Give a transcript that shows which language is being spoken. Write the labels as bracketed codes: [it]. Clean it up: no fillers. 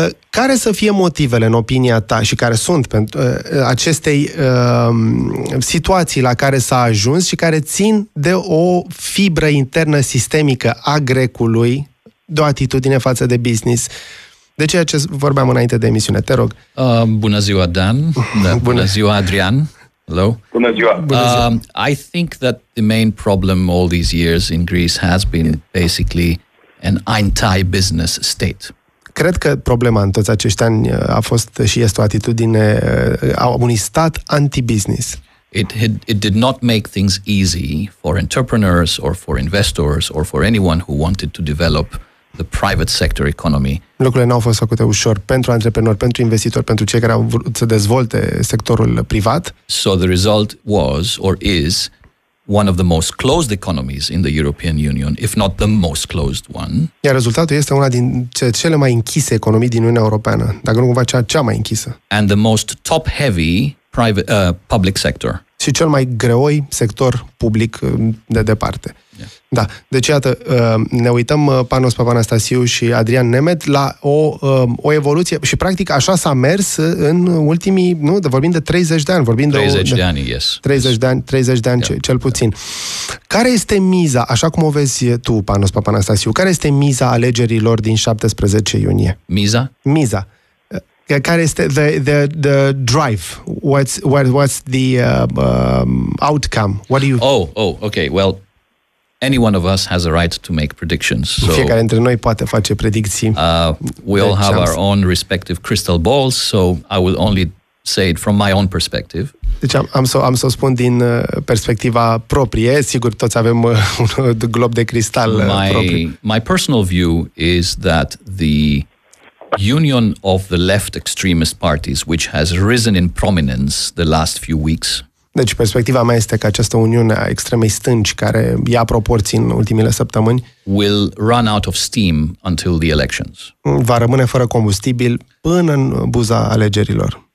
[ro] Care să fie motivele, în opinia ta, și care sunt pentru acestei situații la care s-a ajuns și care țin de o fibră internă sistemică a grecului, de o atitudine față de business? De ceea ce vorbeam înainte de emisiune, te rog. Bună ziua, Dan. Bună ziua, Adrian. Hello. Bună ziua. [en] I think that the main problem all these years in Greece has been basically an anti-business state. [ro] Cred că problema în toți acești ani a fost și este o atitudine a unui stat anti-business. [en] It did not make things easy for entrepreneurs or for investors or for anyone who wanted to develop the private sector economy. [ro] Lucrurile n-au fost făcute ușor pentru antreprenori, pentru investitori, pentru cei care au vrut să dezvolte sectorul privat. [en] So the result was or is one of the most closed economies in the European Union, if not the most closed one. [ro] Iar rezultatul este una din cele mai închise economii din Uniunea Europeană, dacă nu cumva cea mai închisă. [en] And the most top heavy private public sector. [ro] Și cel mai greoi sector public de departe. Yeah. Da. Deci, iată, ne uităm, Panos Papanastasiu și Adrian Nemet, la o evoluție. Și, practic, așa s-a mers în ultimii, nu, vorbim de 30 de ani. Vorbim 30 de ani, yeah. Cel puțin. Yeah. Care este miza, așa cum o vezi tu, Panos Papanastasiu, care este miza alegerilor din 17 iunie? Miza? Miza. Care este [en] the drive? What's the outcome? What do you? Oh, okay. Well, any one of us has a right to make predictions. So [ro] fiecare dintre noi poate face predicții. [en] We all have our own respective crystal balls. So I will only say it from my own perspective. [ro] Deci am să spun din perspectiva proprie. Sigur, toți avem un glob de cristal propriu. [en] My personal view is that the union of the left extremist parties, which has risen in prominence the last few weeks. [ro] Deci perspectiva mea este că această uniune a extremei stânci care ia proporții în ultimele săptămâni [en] will run out of steam until the elections. [ro] Va rămâne fără combustibil până în buza alegerilor.